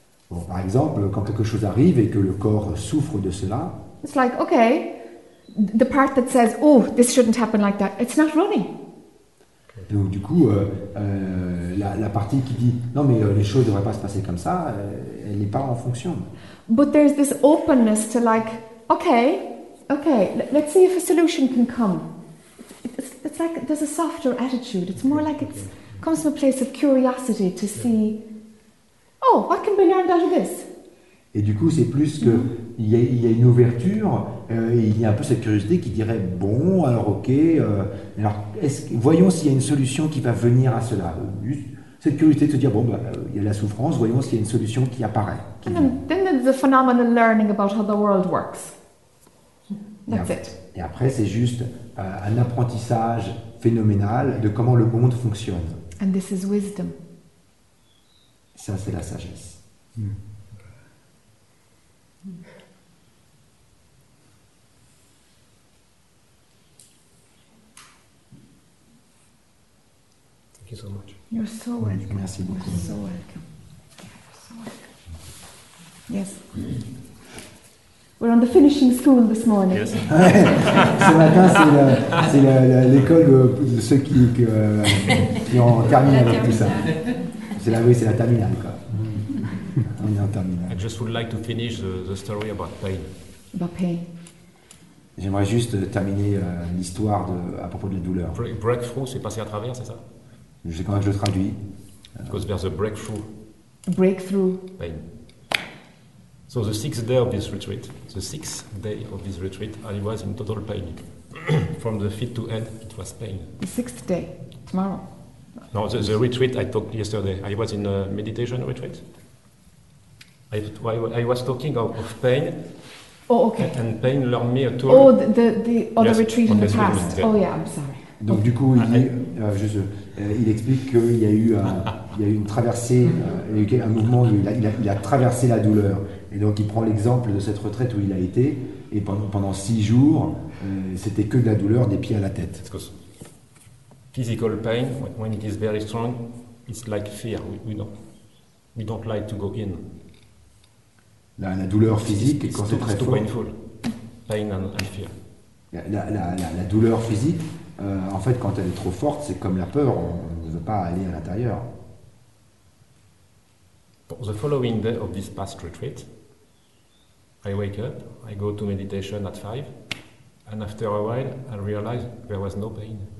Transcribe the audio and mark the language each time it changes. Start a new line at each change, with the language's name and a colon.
French: Bon, par exemple, quand quelque chose arrive et que le corps souffre de cela.
English: It's like, okay, the part that says, oh, this shouldn't happen like that, it's not running.
French: Donc du coup, la partie qui dit, non mais les choses ne devraient pas se passer comme ça, elle n'est pas en fonction.
English: But there's this openness to like, okay, let's see if a solution can come. It's like there's a softer attitude, it's more like it's comes from a place of curiosity to see, oh, what can be learned out of this?
French: Et du coup, c'est plus que il y a une ouverture, il y a un peu cette curiosité qui dirait bon, alors ok, alors voyons s'il y a une solution qui va venir à cela. Cette curiosité de se dire bon, bah, il y a la souffrance, voyons s'il y a une solution qui apparaît. Qui
English: then there's the phenomenon of learning about how the world works. That's it.
French: Et après, c'est juste un apprentissage phénoménal de comment le monde fonctionne.
English: And this is wisdom.
French: Ça, c'est la sagesse.
English: Thank you so much. You're so welcome.
French: Merci beaucoup.
English: You're so welcome. Yes. We're on the finishing school this morning. Yes.
French: Ce matin, c'est l'école de ceux qui ont terminé avec tout ça. C'est la terminale, quoi. On est en terminale.
English: I just would like to finish the story about pain. About pain.
French: J'aimerais juste terminer l'histoire à propos de la douleur. Breakthrough, c'est passer à travers, c'est ça? Je sais comment je le traduis.
English: Because there's a breakthrough. Breakthrough. Pain. So the sixth day of this retreat, I was in total pain. From the feet to head, it was pain. The sixth day, tomorrow. No, the retreat I talked yesterday. I was in a meditation retreat. I was talking of pain. Oh, okay. And pain learned me a tool. Oh, the retreat in the past. Retreat, yeah. Oh, yeah, I'm sorry.
French: Donc du coup, il explique qu'il y a eu une traversée, un mouvement, il a traversé la douleur. Et donc il prend l'exemple de cette retraite où il a été, et pendant 6 jours, c'était que de la douleur des pieds à la tête.
English: Because physical pain, when it is very strong, it's like fear. We don't like to go in.
French: La douleur physique, quand c'est très fort.
English: Painful. Pain and fear.
French: La douleur physique. En fait, quand elle est trop forte, c'est comme la peur, on ne veut pas aller à l'intérieur.
English: The following day of this past retreat, I wake up, I go to meditation at 5, and after a while, I realize there was no pain.